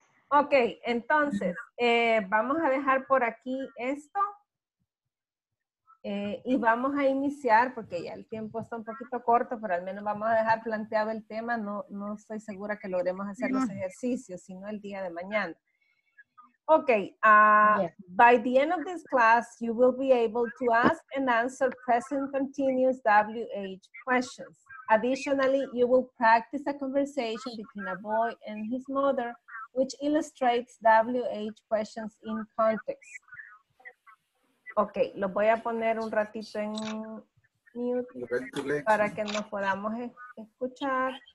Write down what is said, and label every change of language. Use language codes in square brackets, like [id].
[es] Ok, entonces, vamos a dejar por aquí esto. Y vamos a iniciar, porque ya el tiempo está un poquito corto, pero al menos vamos a dejar planteado el tema. No estoy segura que logremos hacer los ejercicios, sino el día de mañana. [en] Ok, by the end of this class, you will be able to ask and answer present continuous WH questions. Additionally, you will practice a conversation between a boy and his mother, which illustrates WH questions in context. [es] Ok, lo voy a poner un ratito en mute para que nos podamos escuchar.